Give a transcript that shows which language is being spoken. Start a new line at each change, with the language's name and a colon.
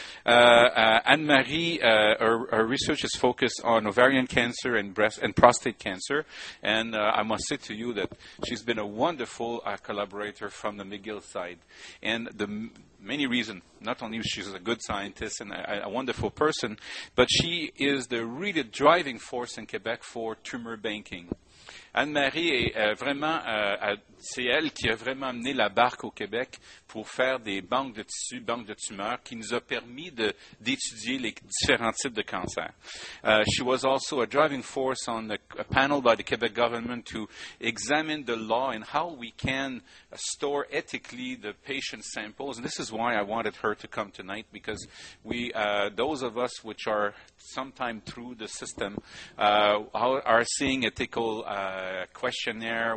English: Anne-Marie, her research is focused on ovarian cancer and breast and prostate cancer, and I must say to you that she's been a wonderful collaborator from the McGill side, and the many reasons, not only she's a good scientist and a wonderful person, but she is the really driving force in Quebec for tumor banking.
French: Anne-Marie est vraiment, c'est elle qui a vraiment amené la barque au Québec pour faire des banques de tissus, banques de tumeurs, qui nous a permis d'étudier les différents types de cancers.
English: She was also a driving force on a panel by the Quebec government to examine the law and how we can store ethically the patient samples. And this is why I wanted her to come tonight, because we, those of us which are sometime through the system, are seeing ethical questionnaire.